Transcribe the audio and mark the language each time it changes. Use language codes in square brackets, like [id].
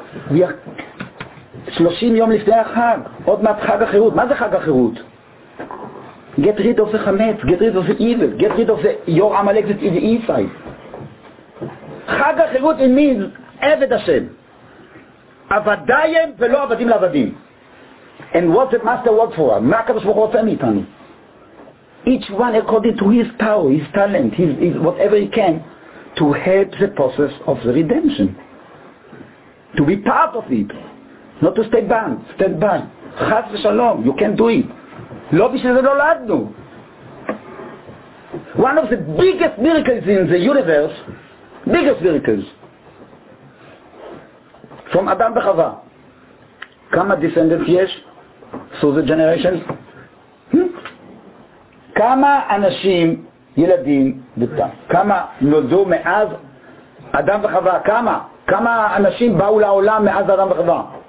[en] We are [he] 30 יום לפני החג, עוד מעט חג החירות. מה זה חג החירות? [en] Get rid of the חמץ, get rid of the evil, get rid of the your Amalek that is the inside. [he] חג החירות [en] it means [he] עבד השם. עבדיים ולא עבדים לעבדים. [en] And what's the master word for? [he] מה הקב"ה רוצה מאיתנו? [en] Each one according to his power, his talent, his whatever he can, to help the process of the redemption. To be part of it. Not to stand by. Chas v'shalom, you can do it. [he] Lo bishel ze noladnu. [en] One of the biggest miracles in the universe, biggest miracles, from Adam v'chava. [he] Kama descendants yesh, [en] through the generations, [he] כמה אנשים, ילדים, בטעם, כמה נולדו מאז אדם וחווה, כמה אנשים באו לעולם מאז אדם וחווה?